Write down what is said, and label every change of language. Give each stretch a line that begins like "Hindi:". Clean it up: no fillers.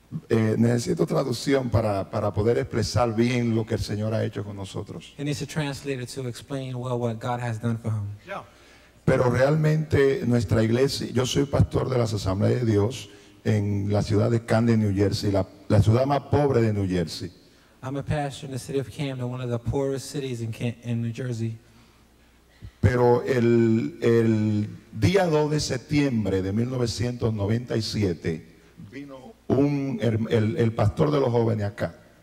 Spanish: Necesito traducción para poder expresar bien lo que el Señor ha hecho con nosotros.
English: He needs a translator to explain well what God has done for him. Yeah.
Spanish: Pero realmente nuestra iglesia, yo soy pastor de las Asambleas de Dios en la ciudad de Camden, New Jersey, la ciudad más pobre de New Jersey.
English: I'm a pastor in the city of Camden, one of the poorest cities in New Jersey.
Spanish: Pero el día 2 de septiembre de 1997 vino el pastor de los jóvenes acá.